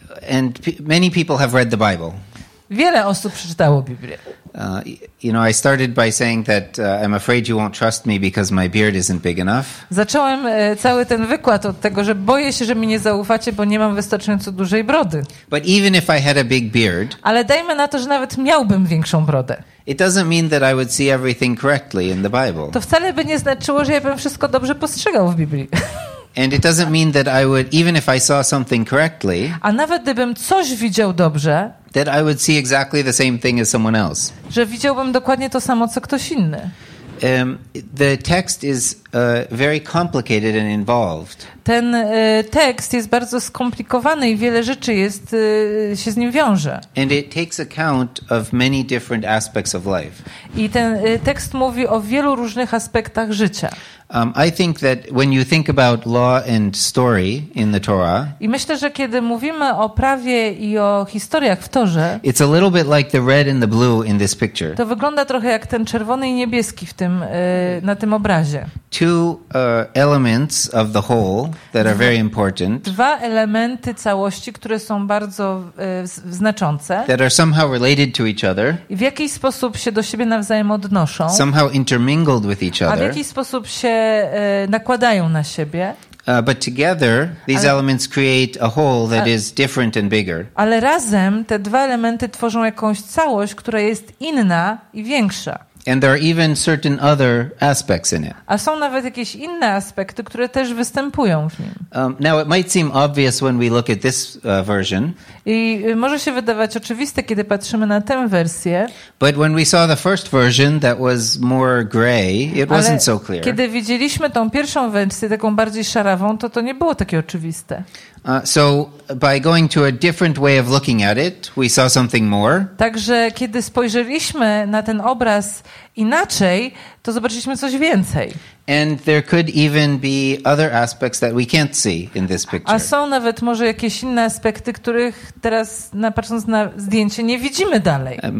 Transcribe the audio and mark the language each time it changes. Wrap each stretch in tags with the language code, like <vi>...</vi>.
<en>And many people have read the Bible.</en> <pl>Wiele osób przeczytało Biblię.</pl> <en>You know, I started by saying that I'm afraid you won't trust me because my beard isn't big enough.</en> <pl>Zacząłem cały ten wykład od tego, że boję się, że mi nie zaufacie, bo nie mam wystarczająco dużej brody.</pl> <en>But even if I had a big beard,</en> <pl>ale dajmy na to, że nawet miałbym większą brodę.</pl> <en>It doesn't mean that I would see everything correctly in the Bible.</en> <pl>To wcale by nie znaczyło, że ja bym wszystko dobrze postrzegał w Biblii.</pl> <en>And it doesn't mean that I would, even if I saw something correctly,</en> <pl>a nawet gdybym coś widział dobrze,</pl> <en>that I would see exactly the same thing as someone else.</en> <pl>Że widziałbym dokładnie to samo, co ktoś inny.</pl> <en>The text is very complicated and involved.</en> <pl>Ten tekst jest bardzo skomplikowany i wiele rzeczy jest się z nim wiąże.</pl> <en>And it takes account of many different aspects of life.</en> <pl>I ten tekst mówi o wielu różnych aspektach życia.</pl> <en>I think that when you think about law and story in the Torah,</en> <pl>i myślę, że kiedy mówimy o prawie i o historiach w Torze,</pl> <en>it's a little bit like the red and the blue in this picture.</en> <pl>To wygląda trochę jak ten czerwony i niebieski w tym na tym obrazie.</pl> <en>Two elements of the whole that are very important.</en> <pl>Dwa elementy całości, które są bardzo znaczące.</pl> <en>That are somehow related to each other.</en> <pl>I w jakiś sposób się do siebie nawzajem odnoszą.</pl> <en>Somehow intermingled with each other.</en> <pl>A w jakiś sposób się nakładają na siebie.</pl> <en>But together these elements create a whole that is different and bigger.</en> <pl>Ale razem te dwa elementy tworzą jakąś całość, która jest inna i większa.</pl> <en>And there are even certain other aspects in it.</en> <pl>A są nawet jakieś inne aspekty, które też występują w nim.</pl> <en>Now it might seem obvious when we look at this version.</en> <pl>I może się wydawać oczywiste, kiedy patrzymy na tę wersję.</pl> <en>But when we saw the first version that was more gray, it wasn't so clear.</en> <pl>Kiedy widzieliśmy tą pierwszą wersję, taką bardziej szarawą, to nie było takie oczywiste.</pl> <en>So by going to a different way of looking at it, we saw something more.</en> <pl>Także kiedy spojrzeliśmy na ten obraz inaczej, to zobaczyliśmy coś więcej.</pl> <en>And there could even be other aspects that we can't see in this picture.</en> <pl>A są nawet może jakieś inne aspekty, których teraz, patrząc na zdjęcie, nie widzimy dalej.</pl>